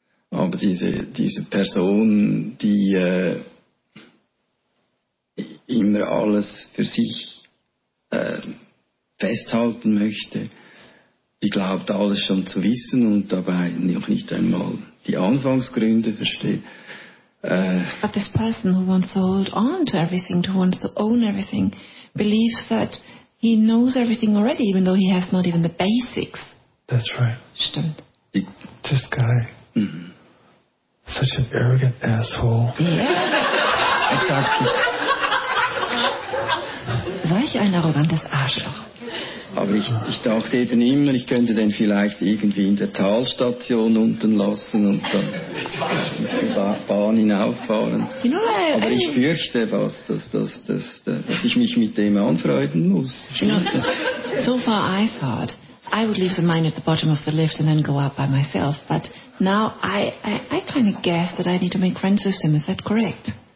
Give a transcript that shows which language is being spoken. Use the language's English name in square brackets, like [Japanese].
[German] Aber diese Person, die alles für sich festhalten möchte. Die glaubt, alles schon zu wissen und dabei noch nicht einmal die Anfangsgründe versteht. [English] But this person who wants to hold on to everything, who wants to own everything, believes that he knows everything already, even though he has not even the basics. That's right. [German] Stimmt. [English] This guy. Mm-hmm. Such an arrogant asshole. Yeah. Exactly. [German] Solch ein arrogantes Arschloch. Aber ich dachte eben immer, ich könnte den vielleicht irgendwie in der Talstation unten lassen und dann mit der Bahn hinauffahren. Aber ich fürchte fast, dass ich mich mit dem anfreunden muss. [English] So far I thought I would leave the mine at the bottom of the lift and then go up by myself. But now I kind of guess that I need to make friends with him. Is that correct?